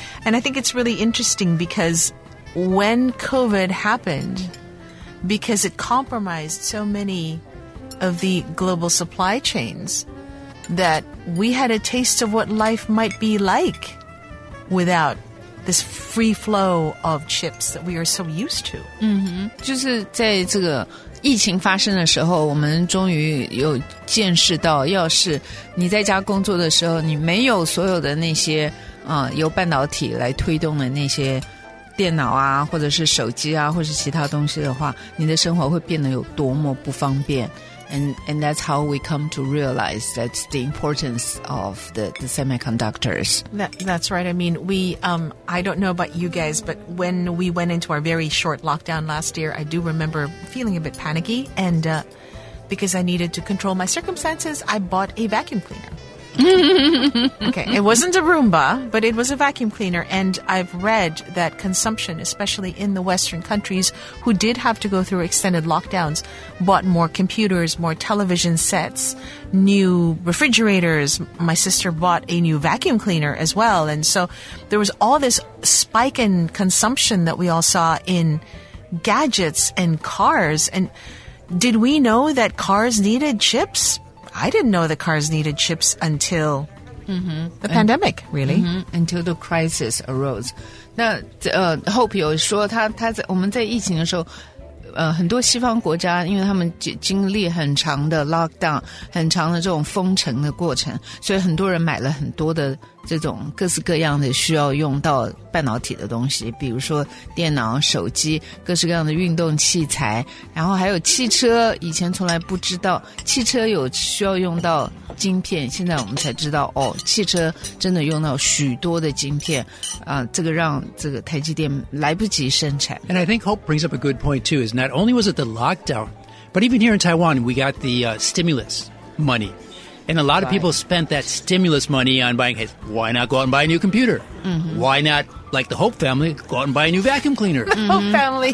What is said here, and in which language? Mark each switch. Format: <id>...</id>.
<en>And I think it's really interesting because when COVID happened, because it compromised so many of the global supply chains, that we had a taste of what life might be like without this free flow of chips that we are so used to. Mm-hmm.</en> <zh>就是在这个疫情发生的时候，我们终于有见识到，要是你在家工作的时候，你没有所有的那些由半导体来推动的那些电脑啊，或者是手机啊，或者是其他东西的话，你的生活会变得有多么不方便。</zh> <en>And that's how we come to realize that's the importance of the semiconductors. That's right. I mean, I don't know about you guys, but when we went into our very short lockdown last year, I do remember feeling a bit panicky. And because I needed to control my circumstances, I bought a vacuum cleaner. Okay, it wasn't a Roomba, but it was a vacuum cleaner. And I've read that consumption, especially in the Western countries who did have to go through extended lockdowns, bought more computers, more television sets, new refrigerators. My sister bought a new vacuum cleaner as well. And so there was all this spike in consumption that we all saw in gadgets and cars. And Did we know that cars needed chips? I didn't know that cars needed chips until the pandemic, really. Until the crisis arose.</en> <zh>那Hope 有说他在我们在疫情的时候很多西方国家因为他们经历很长的 lockdown, 很长的这种封城的过程所以很多人买了很多的这种各式各样的需要用到半导体的东西比如说电脑手机各式各样的运动器材然后还有汽车以前从来不知道汽车有需要用到晶片现在我们才知道哦，汽车真的用到许多的晶片这个让这个台积电来不及生产</zh> <en>And I think Hope brings up a good point too is not only was it the lockdown but even here in Taiwan we got the stimulus moneyAnd a lot of people spent that stimulus money on buying, hey, why not go out and buy a new computer? Why not, like the Hope family, go out and buy a new vacuum cleaner? The Hope family.</en>